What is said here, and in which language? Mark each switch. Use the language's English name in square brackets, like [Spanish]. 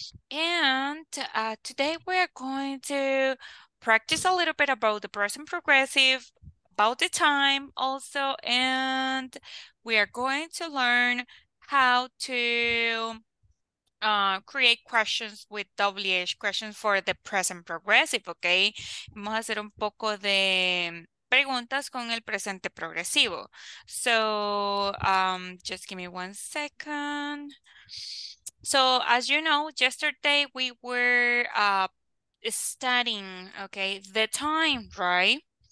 [English] And today, we are going to practice a little bit about the present progressive, about the time also, and we are going to learn how to create questions with WH questions for the present progressive, okay? [Spanish] Vamos a hacer un poco de preguntas con el presente progresivo. [English] So, just give me one second. So, as you know, yesterday we were studying, okay, the time, right?